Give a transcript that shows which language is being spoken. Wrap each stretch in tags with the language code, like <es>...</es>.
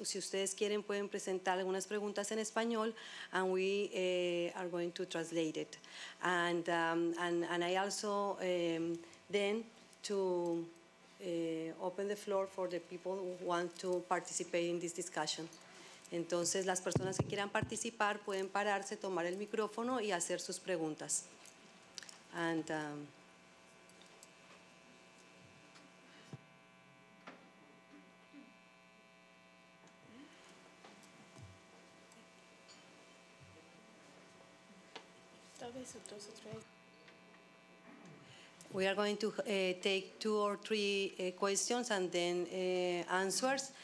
<es>Si ustedes quieren, pueden presentar algunas preguntas en español,</es> <en>and we are going to translate it. And I also then to open the floor for the people who want to participate in this discussion.</en> <es>Entonces, las personas que quieran participar pueden pararse, tomar el micrófono y hacer sus preguntas.</es> <en>And we are going to take two or three questions and then answers.</en>